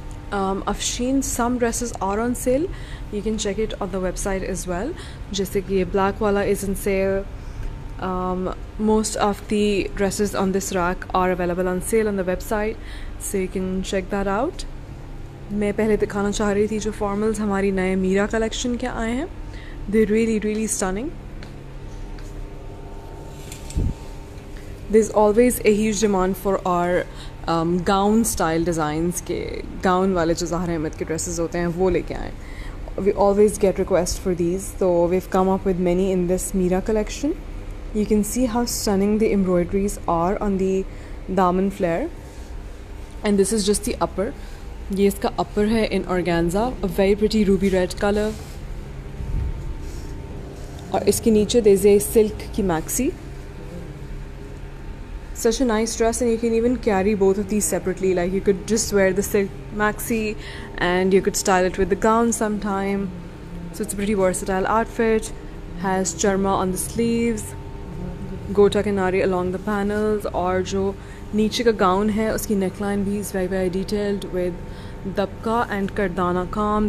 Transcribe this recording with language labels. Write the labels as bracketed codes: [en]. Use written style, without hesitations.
[en] Afshin, some dresses are on sale. You can check it on the website as well. [ur] جیسے کہ black والا [en] is on sale. Most of the dresses on this rack are available on sale on the website, so you can check that out. [ur] میں پہلے دکھانا چاہ رہی تھی جو فارملز ہماری نئے میرا کلیکشن کے آئے ہیں۔ [en] They're really, really stunning. There's always a huge demand for our gown style designs, [ur] کہ gown والے جو زہرہ احمد کے dresses ہوتے ہیں وہ لے کے آئے۔ [en] We always get requests for these, so we've come up with many in this Meera collection. You can see how stunning the embroideries are on the daman flare, and this is just the upper. [ur] Ye iska upper hai [en] in organza, a very pretty ruby red color. [ur] اور اس کے نیچے [en] there's a silk [ur] کی maxi. [en] Such a nice dress, and you can even carry both of these separately. Like, you could just wear the silk maxi and you could style it with the gown sometime. So it's a pretty versatile outfit. Has charma on the sleeves, [ur] گوٹا کناری [en] along the panels, [ur] اور جو نیچے کا gown ہے اس کی neckline بھی [en] is very, very detailed with [ur] ڈبکا اور کاردانہ کام۔